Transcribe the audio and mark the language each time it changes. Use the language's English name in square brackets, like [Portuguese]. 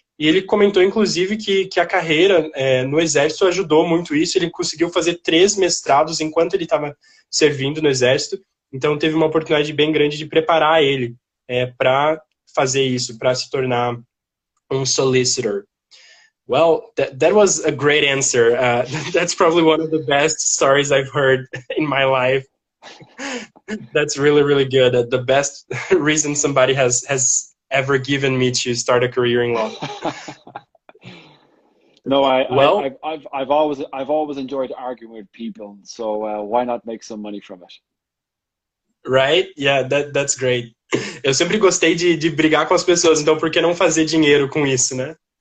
[Portuguese] E ele comentou, inclusive, que a carreira no exército ajudou muito isso. Ele conseguiu fazer 3 mestrados enquanto ele estava servindo no exército. Então, teve uma oportunidade bem grande de preparar ele para fazer isso, para se tornar um solicitor. [English] Well, that was a great answer. That's probably one of the best stories I've heard in my life. That's really, really good. The best reason somebody has ever given me to start a career in law. No, I've always enjoyed arguing with people. So why not make some money from it? Right? Yeah, that's great. [Portuguese] Eu sempre gostei de brigar com as pessoas. Então, por que não fazer dinheiro com isso, né?